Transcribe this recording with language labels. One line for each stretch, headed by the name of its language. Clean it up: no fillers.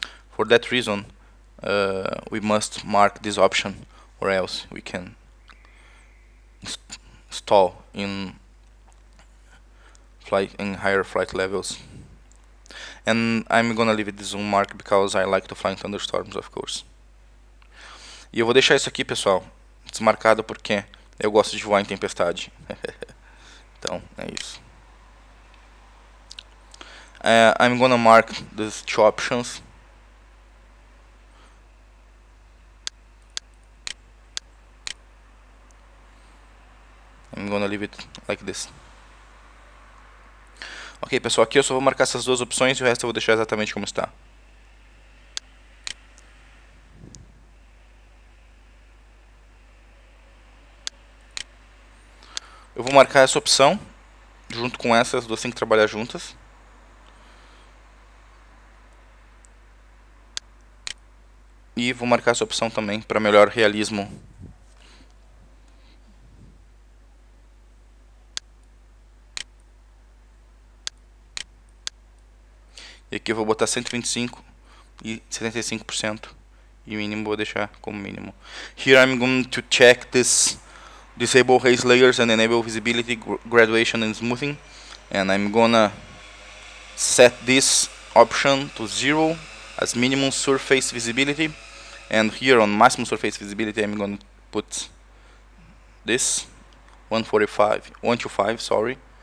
English: For that reason, we must mark this option or else we can stall in flight in higher flight levels. And I'm gonna leave this unmarked because I like to fly in thunderstorms, of course.
Portuguese: E eu vou deixar isso aqui, pessoal, desmarcado porque eu gosto de voar em tempestade. Então, é isso.
English: I'm gonna mark these two options. I'm gonna leave it like this.
Portuguese: Ok, pessoal, aqui eu só vou marcar essas duas opções e o resto eu vou deixar exatamente como está. Eu vou marcar essa opção junto com essas duas, tem que trabalhar juntas. E vou marcar essa opção também para melhor realismo. E aqui eu vou botar 125 e 75% e mínimo vou deixar como mínimo.
English: Here I'm going to check this disable haze layers and enable visibility graduation and smoothing. And I'm gonna set this option to 0 as minimum surface visibility. And here on maximum surface visibility I'm gonna put this 145, 125, sorry.